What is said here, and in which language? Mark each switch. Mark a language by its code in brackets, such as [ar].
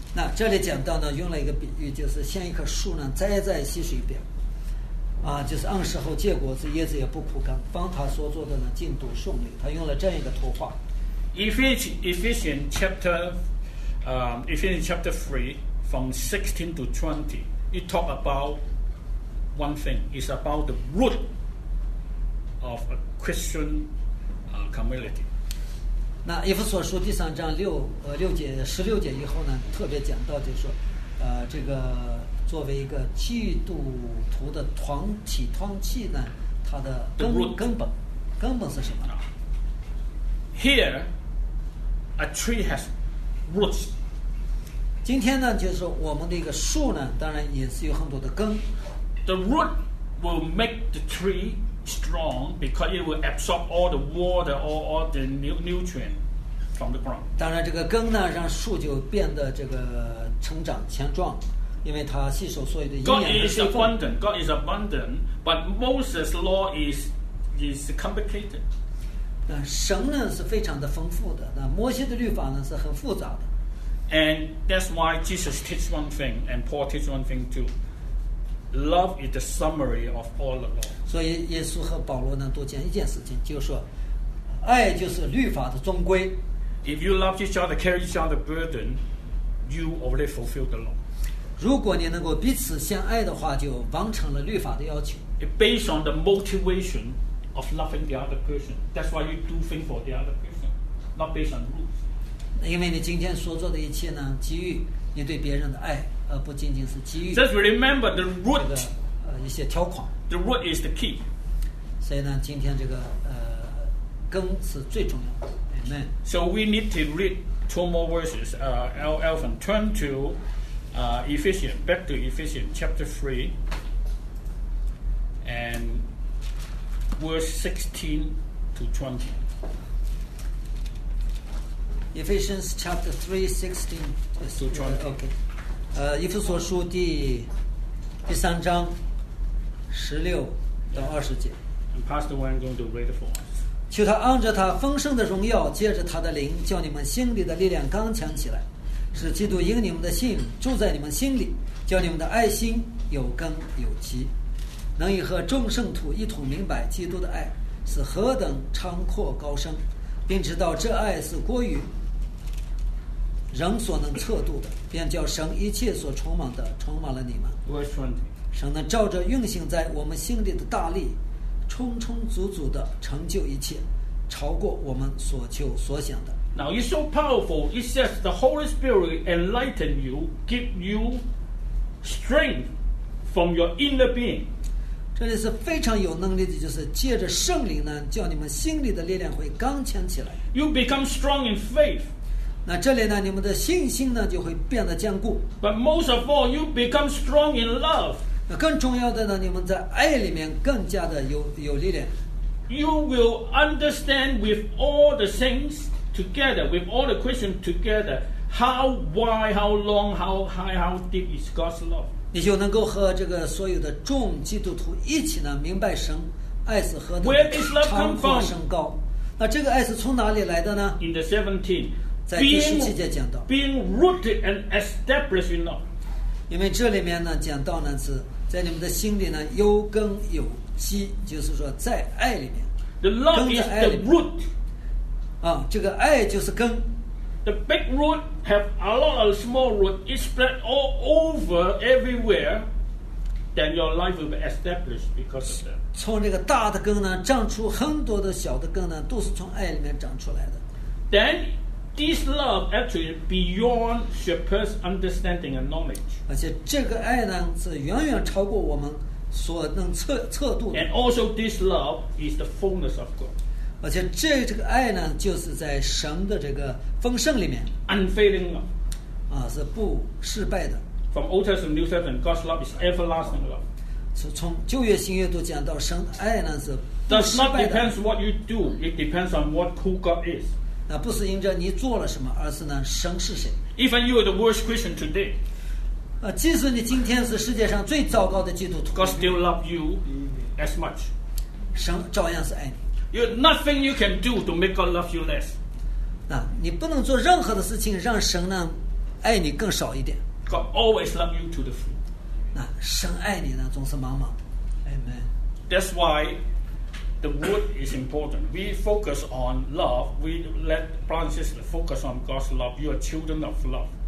[zh] 那这里讲到呢，用了一个比喻，就是像一棵树呢，栽在溪水边，啊，就是按时候结果子，叶子也不枯干。方他所做的呢，进度顺利。他用了这样一个图画。 [en] Ephesians chapter 3 from 16 to 20, it talk about one thing. It's about the root. Of a Christian community. [zh] 那以弗所书第三章十六节以后呢，特别讲到就是说，这个作为一个基督徒的团体呢，它的根本是什么 [en] ？Here, a tree has roots. [zh] 今天呢，就是说我们的一个树呢，当然也是有很多的根。 [en] The root will make the tree. Strong because it will absorb all the water, all the nutrient from the ground. [zh] 当然，这个根呢，让树就变得这个成长强壮，因为它吸收所有的营养的水分。 [en] God is abundant, but Moses' law is complicated. [zh] 神呢是非常的丰富的，那摩西的律法呢是很复杂的。 [en] And that's why Jesus teaches one thing, and Paul teaches one thing too. Love is the summary of all the law. [zh] 所以耶稣和保罗呢都讲一件事情，就是说，爱就是律法的终归。 [en] If you love each other, carry each other's burden, you already fulfilled the law. [zh] 如果你能够彼此相爱的话，就完成了律法的要求。 [en] Based on the motivation. Of loving the other person. That's why you do things for the other person, not based on rules. [zh] 因为你今天所做的一切呢，基于你对别人的爱，而不仅仅是基于。 [en] Just remember the root. [zh] 这个一些条款。 [en] The root is the key. [zh] 所以呢，今天这个根是最重要的。 [en] Amen. So we need to read two more verses. Elvin, turn to Ephesians, back to Ephesians chapter 3. And. Verse 16 to 20. Ephesians chapter 3:16 to 20. Okay. [zh] 以弗所书第三章十六到二十节。 [en] And Pastor Wang going to read for us. [zh] 求他按着他丰盛的荣耀，借着他的灵，叫你们心里的力量刚强起来，使基督因你们的信住在你们心里，叫你们的爱心有根有基。能以和众圣徒一同明白基督的爱是何等长阔高深，并知道这爱是过于人所能测度的，便叫神一切所充满的充满了你们。神能照着运行在我们心里的大力，充充足足的成就一切，超过我们所求所想的。 [en] Now it's so powerful. It says the Holy Spirit enlighten you, give you strength from your inner being. [zh] 这里是非常有能力的，就是借着圣灵呢，叫你们心里的力量会刚强起来。 [en] You become strong in faith. [zh] 那这里呢，你们的信心呢就会变得坚固。 [en] But most of all, you become strong in love. [zh] 那更重要的呢，你们在爱里面更加的有力量。 [en] You will understand with all the saints together, with all the Christians together, how wide, how long, how high, how deep is God's love. [zh] 你就能够和这个所有的众基督徒一起呢，明白神爱是何等长阔深高。那这个爱是从哪里来的呢？ [en] In the 17, [zh] 在第十七节讲到 [en] being rooted and established in love. [zh] 因为这里面呢讲到呢是在你们的心里呢有根有基，就是说在爱里面。 [en] The love is the root. [zh] 啊，这个爱就是根。 [en] The big root have a lot of small root. It spread all over everywhere. Then your life will be established because of that. [zh] 从这个大的根呢，长出很多的小的根呢，都是从爱里面长出来的。 [en] Then this love actually beyond surpass understanding and knowledge. [zh] 而且这个爱呢，是远远超过我们所能测度的。 [en] And also this love is the fullness of God. [zh] 而且这个爱呢，就是在神的这个丰盛里面 [en] ，unfailing love， [zh] 啊，是不失败的。 [en] From Old Testament, New Testament, God's love is everlasting love. [zh] 从旧约、新约都讲到神的爱呢是不失败的。 [en] Does not depends what you do, it depends on what who God is. [zh] 那不是因着你做了什么，而是呢神是谁。 [en] Even you are the worst Christian today. [zh] 即使你今天是世界上最糟糕的基督徒 [en] ，God still love you as much. [zh] 神照样是爱你。 [en] You have nothing you can do to make God love you less. [zh] 那你不能做任何的事情让神呢爱你更少一点。 [en] God always love you to the full. [zh] 那神爱你呢总是满满的。 [en] Amen. That's why the word is important. We focus on love. We let branches focus on God's love. You are children of love.